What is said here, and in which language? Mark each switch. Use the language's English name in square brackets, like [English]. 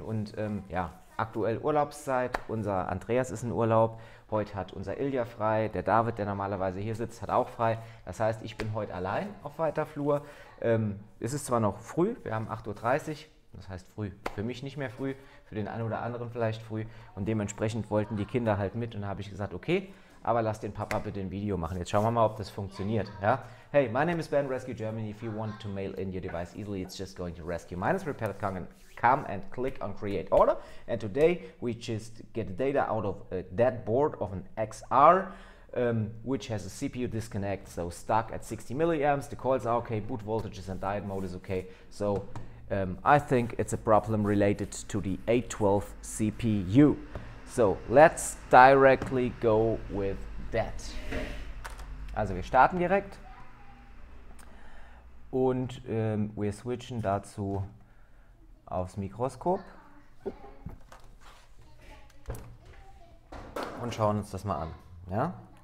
[German] Und aktuell Urlaubszeit, unser Andreas ist in Urlaub, heute hat unser Ilja frei, der David, der normalerweise hier sitzt, hat auch frei, das heißt, ich bin heute allein auf weiter Flur. Es ist zwar noch früh, wir haben 8.30 Uhr, das heißt früh, für mich nicht mehr früh, für den einen oder anderen vielleicht früh, und dementsprechend wollten die Kinder halt mit, und da habe ich gesagt, okay, aber lass den Papa bitte ein Video machen. Jetzt schauen wir mal, ob das funktioniert. Ja? [English] Hey, my name is Ben, Rescue Germany. If you want to mail in your device easily, it's just going to rescue-repair.com and come and click on create order. And today we just get the data out of a dead board of an XR, which has a CPU disconnect, so stuck at 60 milliamps. The coils are okay, boot voltages and diode mode is okay. So I think it's a problem related to the A12 CPU. So, let's directly go with that. [German] Also wir starten direkt und wir switchen dazu aufs Mikroskop und schauen uns das mal an. Ja?